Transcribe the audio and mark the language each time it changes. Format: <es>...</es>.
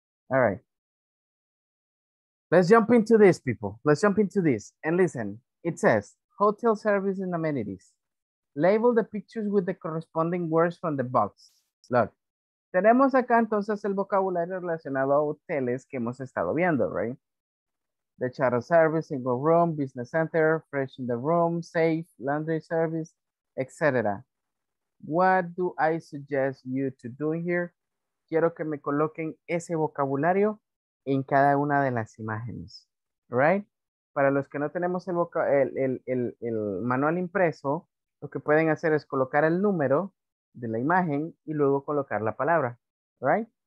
<en>All right. Let's jump into this, people. Let's jump into this and listen. It says hotel service and amenities. Label the pictures with the corresponding words from the box. Look.</en> <es>Tenemos acá entonces el vocabulario relacionado a hoteles que hemos estado viendo, right?</es> <en>The charter service, single room, business center, fresh in the room, safe, laundry service, etc. What do I suggest you to do here?</en> <es>Quiero que me coloquen ese vocabulario en cada una de las imágenes, right? Para los que no tenemos el manual impreso, lo que pueden hacer es colocar el número de la imagen y luego colocar la palabra, right?</es>